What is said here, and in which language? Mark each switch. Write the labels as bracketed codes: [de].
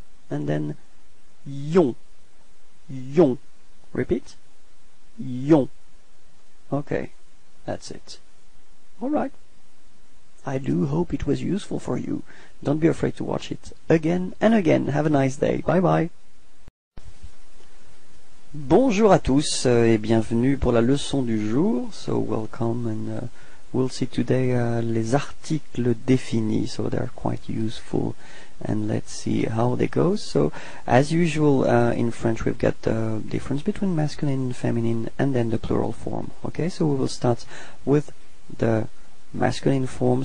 [en] And then yon, yon. Repeat. Yon. Okay, that's it. Alright. I do hope it was useful for you. Don't be afraid to watch it again and again. Have a nice day. Bye bye. [fr] Bonjour à tous et bienvenue pour la leçon du jour. [en] So welcome and we'll see today les articles définis. So they're quite useful and let's see how they go. So as usual in French we've got the difference between masculine, feminine and then the plural form. Okay, so we will start with the masculine form.